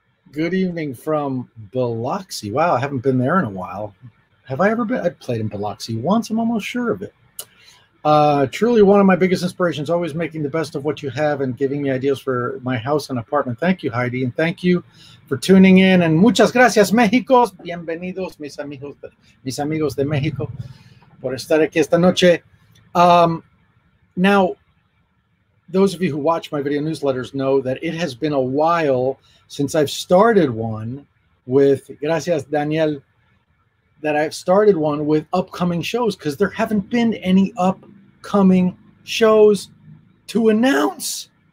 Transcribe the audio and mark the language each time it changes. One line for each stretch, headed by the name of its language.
English: Good evening from Biloxi. Wow, I haven't been there in a while. Have I ever been? I played in Biloxi once. I'm almost sure of it. Truly one of my biggest inspirations, always making the best of what you have and giving me ideas for my house and apartment. Thank you, Heidi, and thank you for tuning in.
Spanish: And muchas gracias, México. Bienvenidos, mis amigos de México, por estar aquí esta noche.
English: Now, those of you who watch my video newsletters know that it has been a while since I've started one with, gracias, Daniel, that I've started one with upcoming shows because there haven't been any upcoming shows to announce.